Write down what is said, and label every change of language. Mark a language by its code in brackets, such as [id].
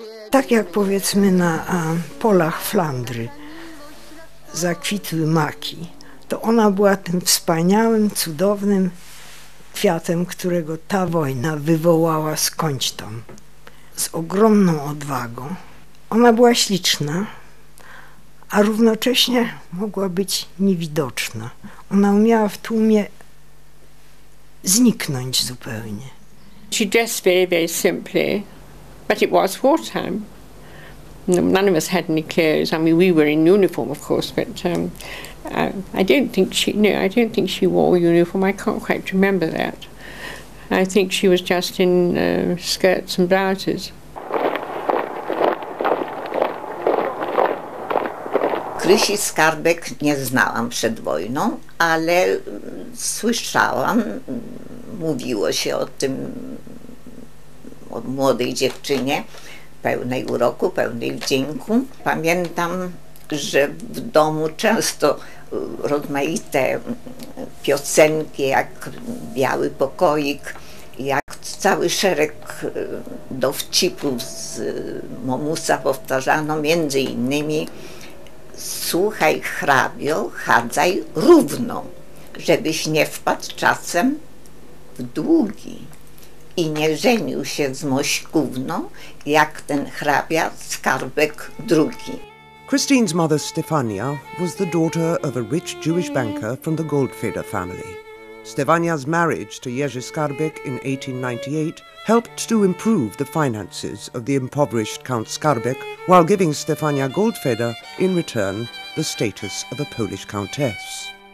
[pl] Tak jak powiedzmy na polach Flandry zakwitły maki, to ona była tym wspaniałym, cudownym kwiatem, którego ta wojna wywołała skądś tam, z ogromną odwagą. Ona była śliczna, a równocześnie mogła być niewidoczna. Ona umiała w tłumie zniknąć zupełnie. [en] She dressed very, very simply, but it was wartime. None of us had any clothes. I mean, we were in uniform, of course, but I don't think she wore a uniform. I can't quite remember that. I think she was just in skirts and blouses. [pl] Krysi Skarbek nie znałam przed wojną, ale słyszałam, mówiło się o tym, o młodej dziewczynie, pełnej uroku, pełnej wdzięku. Pamiętam, że w domu często rozmaite piosenki, jak Biały pokoik, jak cały szereg dowcipów z Momusa powtarzano, między innymi słuchaj hrabio, chadzaj równo, żebyś nie wpadł czasem w długi i nie żenił się z mośkówną, jak ten hrabia Skarbek drugi. [en] Christine's mother Stefania was the daughter of a rich Jewish banker from the Goldfeder family. Stefania's marriage to Jerzy Skarbek in 1898 helped to improve the finances of the impoverished Count Skarbek while giving Stefania Goldfeder, in return, the status of a Polish countess.